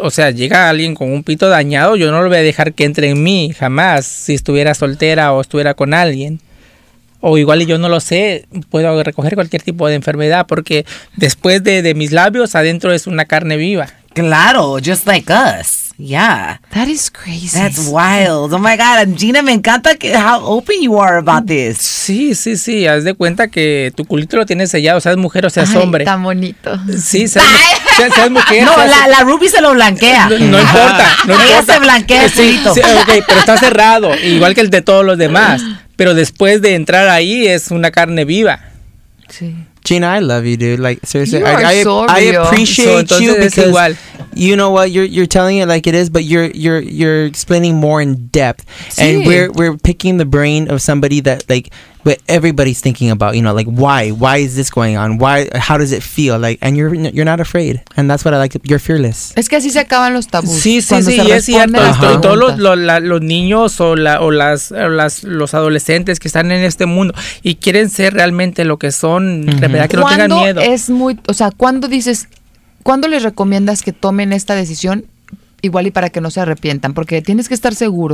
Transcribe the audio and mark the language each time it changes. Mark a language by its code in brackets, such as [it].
[es] O sea, llega alguien con un pito dañado, yo no lo voy a dejar que entre en mí jamás, si estuviera soltera o estuviera con alguien. O igual, yo no lo sé, puedo recoger cualquier tipo de enfermedad, porque después de mis labios, adentro es una carne viva. [en] Claro, just like us. Yeah. That is crazy. That's wild. Oh my God, Gina, [es] me encanta que, [en] how open you are about this. [es] Sí, sí, sí. Haz de cuenta que tu culito lo tienes sellado, seas mujer o seas hombre. Tan bonito. Sí, seas mujer. No, la Ruby se lo blanquea. No importa. Ella se blanquea el culito. Sí, ok, pero está cerrado, igual que el de todos los demás. Pero después de entrar ahí, es una carne viva. Sí. [en] Gina, I love you, dude. Like, seriously, I appreciate you because you know what, you're telling it like it is, but you're explaining more in depth, and we're picking the brain of somebody that, like, what everybody's thinking about, you know, like why is this going on? Why, how does it feel like? And you're not afraid, and that's what I like. You're fearless. [es] Es que así se acaban los tabús. Sí, sí, sí, y es cierto. Todos los niños o los adolescentes que están en este mundo y quieren ser realmente lo que son, de verdad, que no tengan miedo. Es muy, o sea, ¿cuándo les recomiendas que tomen esta decisión? Igual, y para que no se arrepientan, porque tienes que estar seguro.